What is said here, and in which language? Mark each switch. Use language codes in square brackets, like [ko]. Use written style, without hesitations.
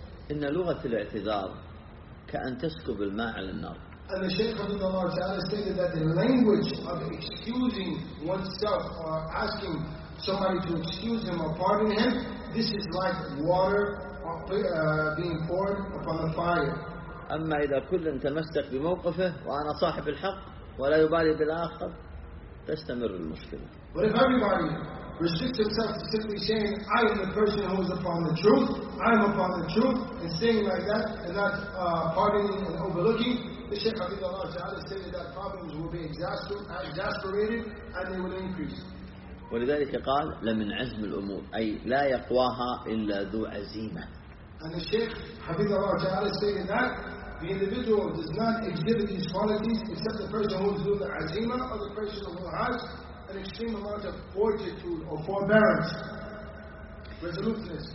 [ar] إن لغة الاعتذار كأن تسكب الماء على النار. [en] And the Shaykh Hafizullah ta'ala stated that the language of excusing oneself or asking somebody to excuse him or pardon him, this is like water being poured upon the fire. [ar] أما إذا كل تمسك بموقفه وأنا صاحب الحق ولا يبالي بالآخر تستمر المشكلة. [en] But if everybody restricts himself to simply saying I am the person who is upon the truth, I am upon the truth, and saying like that and not pardoning and overlooking, the Shaykh Hafizullah ta'ala stated that problems will be exasperated and they will increase. [ar] ولذلك قال لمن عزم الأمور أي لا يقواها إلا ذو عزيمة. [en] And the Shaykh Hafizullah ta'ala stated that the individual does not exhibit these qualities except the person who is doing the azima, or the person who has an extreme amount of fortitude or forbearance, resoluteness.